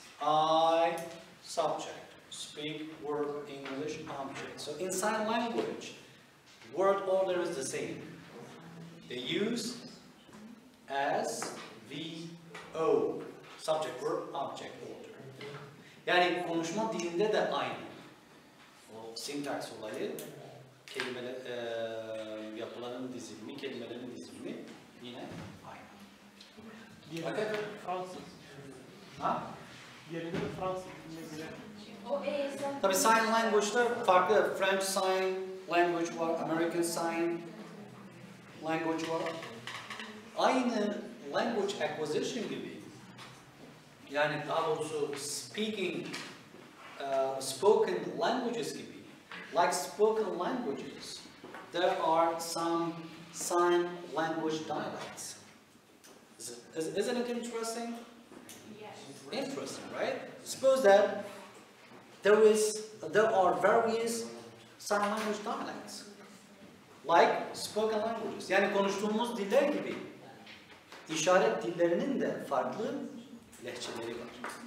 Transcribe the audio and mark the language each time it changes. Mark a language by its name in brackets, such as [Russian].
[English] I subject speak word English object. So in sign language, word order is the same. They use S V O subject verb object order. [Turkish] Yani konuşma dilinde de aynı. O syntax olayı, kelimeler yapıların dizilimi, kelimelerin dizilimi yine aynı. Diğer Fransız. Ha? Yerine Fransız dilinde bile. Tabi sign language'da farklı. French sign language var, American sign language var. Aynı language acquisition gibi. Yani daha doğrusu [English] speaking, spoken languages [Turkish] gibi. [English] Like spoken languages, there are some sign language dialects. Isn't it interesting? Interesting, right? Suppose that there are various sign language dialects, like spoken languages. [Turkish] Yani konuştuğumuz diller gibi, işaret dillerinin de farklı lehçeleri var.